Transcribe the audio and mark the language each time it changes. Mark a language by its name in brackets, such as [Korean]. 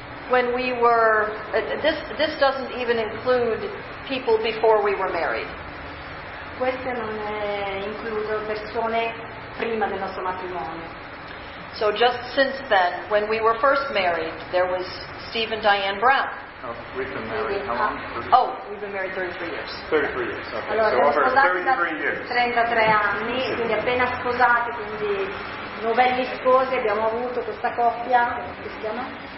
[English] When we were this doesn't even include people before we were married. [Italian] Queste non includono persone prima del nostro matrimonio. [English] So just since then, when we were first married, there was Steve and Diane Brown. We've been married 33 years. Okay. [Italian] Allora, [English] so over [Italian] 33 anni, quindi appena sposati, quindi novelli sposi, abbiamo avuto questa coppia che si chiama